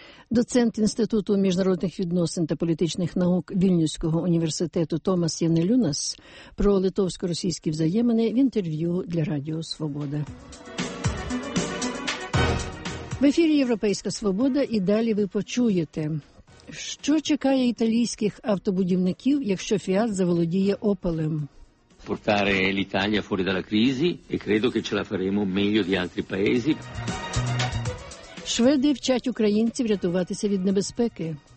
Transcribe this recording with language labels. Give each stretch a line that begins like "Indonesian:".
Ukrainian: Доцент Інституту міжнародних відносин та політичних наук Вільнюського університету Томас Янелюнас про литовсько-російські взаємини в інтерв'ю для Радіо Свобода. В ефірі «Європейська свобода» і далі ви почуєте, що чекає італійських автобудівників, якщо «Фіат» заволодіє «Опелем».
Italian: Portare l'Italia fuori dalla crisi e credo che ce la faremo meglio di altri paesi.
Ukrainian: Шведи вчать українців рятуватися від небезпеки.